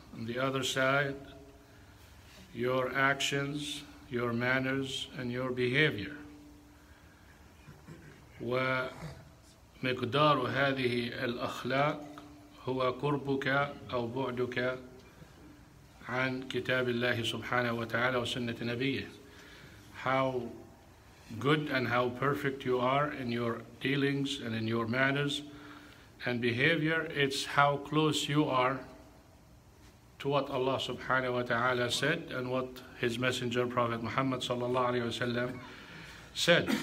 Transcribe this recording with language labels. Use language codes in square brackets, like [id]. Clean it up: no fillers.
[en] On the other side, your actions, your manners, and your behavior. [ar] ومقدار هذه الأخلاق هو قربك أو بعدك عن كتاب الله سبحانه وتعالى وسنة نبيه. [en] How good and how perfect you are in your dealings and in your manners and behavior, it's how close you are to what Allah [ar] سبحانه وتعالى [en] said and what His Messenger Prophet Muhammad [ar] صلى الله عليه وسلم [en] said.